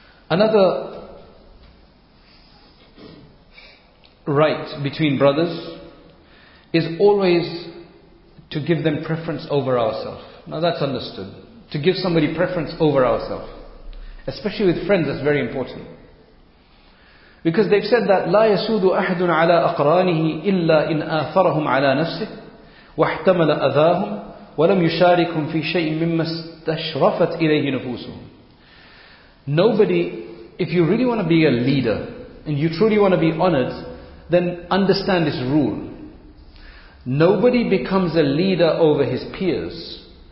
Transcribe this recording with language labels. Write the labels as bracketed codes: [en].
[en] Another right between brothers is always to give them preference over ourselves. Now that's understood. To give somebody preference over ourselves, especially with friends, that's very important. Because they've said that [ar] لا يسود أحد على أقرانه إلا إن آثرهم على نفسه واحتمل أذاهم ولم يشاركهم في شيء مما استشرفت إليه نفوسهم. [en] Nobody, if you really want to be a leader and you truly want to be honored, then understand this rule. Nobody becomes a leader over his peers.